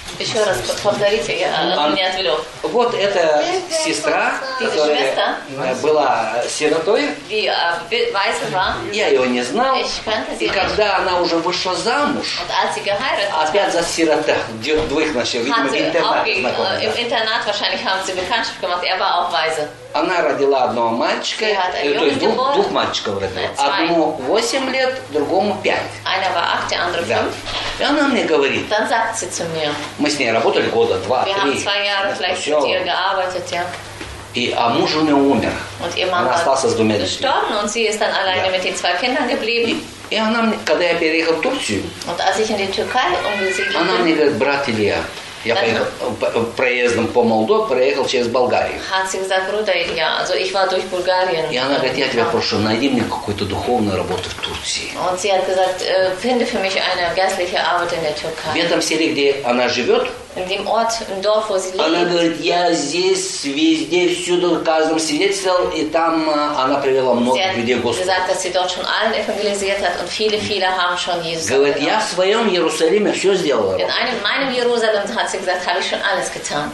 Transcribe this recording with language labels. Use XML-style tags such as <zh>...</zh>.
<ru>Еще раз повторите, я не отвлек. Вот эта сестра, которая была сиротой, я ее не знал. И когда она уже вышла замуж, опять за сирота, двоих нашли, видимо, в интернат знакомых. В интернат,</ru> <de>wahrscheinlich, haben sie Bekanntschaft gemacht, er war auch weise.</de> <ru>Она родила одного мальчика, то есть двух мальчиков родила. Одному 8 лет, другому 5.</ru> <de>Einer war 8, der andere 5.</de> <ru>И она мне говорит,</ru> <de>dann sagt sie zu mir,</de> <ru>мы с ней работали года, два,</ru> <de>wir</de> <ru>три.</ru> <de>Haben zwei Jahre vielleicht mit ihr gearbeitet, ja.</de> <ru>А муж у нее умер. Вот и мама остался с двумя детьми.</ru> <de>Gestorben, und sie ist dann alleine mit den zwei Kindern geblieben.</de> <ru>И она мне, когда я переехал в Турцию,</ru> <de>und als ich in die Türkei umgesiedelt bin,</de> <ru>она мне говорит, брат Илья, я поехал проездом по Молдове, проехал через Болгарию.</ru> <de>Hat sie gesagt, Bruder Илья, also ich war durch Bulgarien.</de> <ru>И она говорит, я тебя прошу, найди мне какую-то духовную работу в Турции.</ru> <de>Und sie hat gesagt, finde für mich eine geistliche Arbeit in der Türkei.</de> <ru>В этом селе, где она живет,</ru> <de>in dem Ort, im Dorf, wo sie</de> <ru>она</ru> <de>lebt,</de> <ru>говорит, я здесь, везде, всюду, в каждом свидетельствовал, и там она привела много людей к Господу.</ru> <de>Sie hat gesagt, dass sie dort schon allen evangelisiert hat und viele, viele haben schon Jesus.</de> <ru>Говорит, я в своем Иерусалиме все сделала.</ru> <de>In einem, meinem Jerusalem, hat sie gesagt, habe ich schon alles getan.</de>